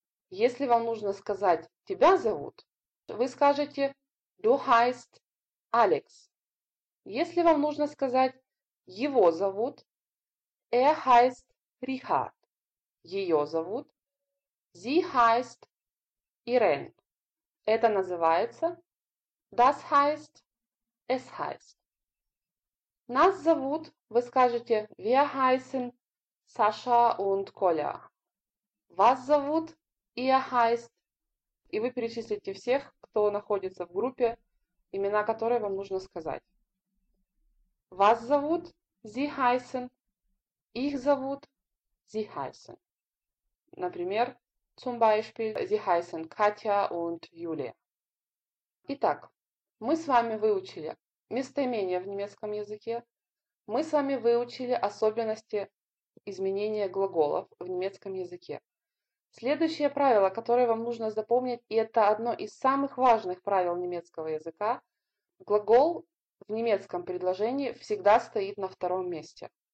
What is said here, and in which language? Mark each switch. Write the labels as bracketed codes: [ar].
[ru] Если вам нужно сказать «тебя зовут», вы скажете [de] «du heißt Alex». [ru] Если вам нужно сказать «его зовут» – [de] «er heißt Richard», [ru] «ее зовут» – [de] «sie heißt Irene». [ru] Это называется [de] «das heißt, es heißt». [ru] Нас зовут, вы скажете [de] «wir heißen Sascha und [ru] Коля». Вас зовут [de] «ihr heißt» [ru] и вы перечислите всех, кто находится в группе, имена которой вам нужно сказать. Вас зовут [de] «Sie heißen», [ru] «их зовут», [de] «Sie heißen». [ru] Например, [de] zum Beispiel, «Sie heißen Katja und Julia». [ru] Итак, мы с вами выучили местоимения в немецком языке, мы с вами выучили особенности изменения глаголов в немецком языке. Следующее правило, которое вам нужно запомнить, и это одно из самых важных правил немецкого языка, глагол в немецком предложении всегда стоит на втором месте.